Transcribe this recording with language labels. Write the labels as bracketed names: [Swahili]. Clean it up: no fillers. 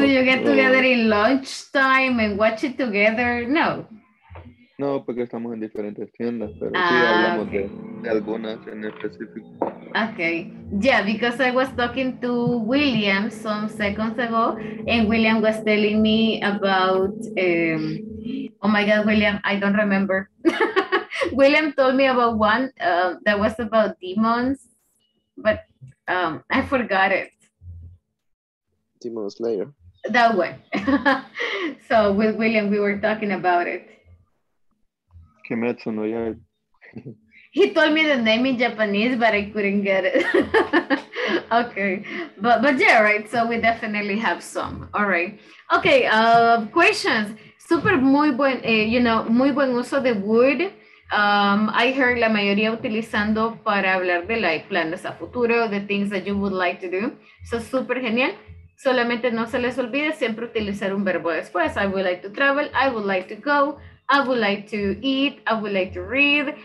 [English] Do you get together in lunch time and watch it together? No. [Spanish] No, porque estamos en diferentes tiendas, pero sí hablamos de algunas en específico. [English] Okay. Yeah, because I was talking to William some seconds ago, and William was telling me about, oh my God, William, I don't remember. William told me about one that was about demons, but I forgot it. Demon Slayer. That one. So with William, we were talking about it. Kimetsu no Yaiba. He told me the name in Japanese, but I couldn't get it. Okay. But yeah, right. So we definitely have some. All right. Okay. Questions. [Spanish] Super muy buen, muy buen uso de would. [English] I heard [Spanish] la mayoría utilizando para hablar de [English] like [Spanish] planes a futuro, [English] the things that you would like to do. So [Spanish] super genial. Solamente no se les olvide siempre utilizar un verbo después. [English] I would like to travel. I would like to go. I would like to eat, I would like to read.